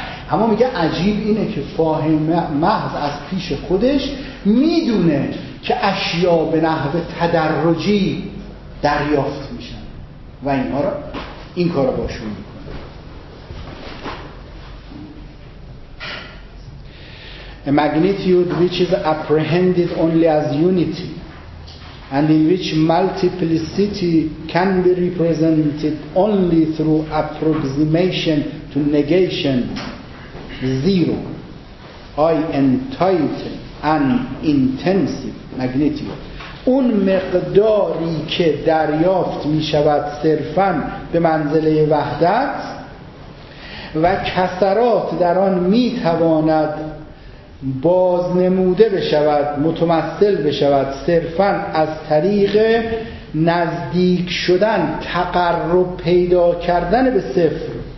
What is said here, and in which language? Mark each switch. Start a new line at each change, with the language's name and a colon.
Persian: اما میگه عجیب اینه که فاهمه محض از پیش خودش میدونه که اشیا به نحو تدرجی دریافت میشن و اینها را این کار را باشون میکنه.
English: A magnitude which is apprehended only as unity and in which multiplicity can be represented only through approximation to negation, zero, entity and intensive magnitude.
Persian: اون مقداری که دریافت می شود صرفا به منزله وحدت و کسرات در آن می تواند باز نموده بشود، متمثل بشود، صرفاً از طریق نزدیک شدن، تقرب پیدا کردن به صفر.